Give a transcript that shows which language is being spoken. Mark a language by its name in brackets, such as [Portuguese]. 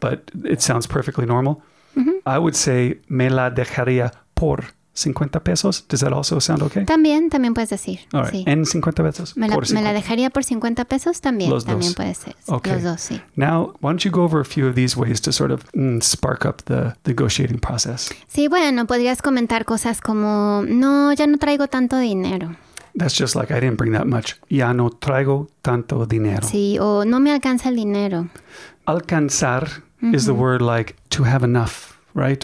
[English] But it sounds perfectly normal. Mm-hmm. I would say, [Spanish] me la dejaría por 50 pesos. [English] Does that also sound okay? [Spanish] También, también puedes decir. [English] All right. [Spanish] Sí. En 50 pesos. Me la, 50. Me la dejaría por 50 pesos también. Los también dos. Puede ser. [English] Okay. [Spanish] Los dos, sí. [English] Now, why don't you go over a few of these ways to sort of spark up the negotiating process? [Spanish] Sí, bueno, podrías comentar cosas como, no, ya no traigo tanto dinero. [English] That's just like, I didn't bring that much. [Spanish] Ya no traigo tanto dinero. Sí, o no me alcanza el dinero. Alcanzar mm-hmm. [English] is the word like to have enough, right?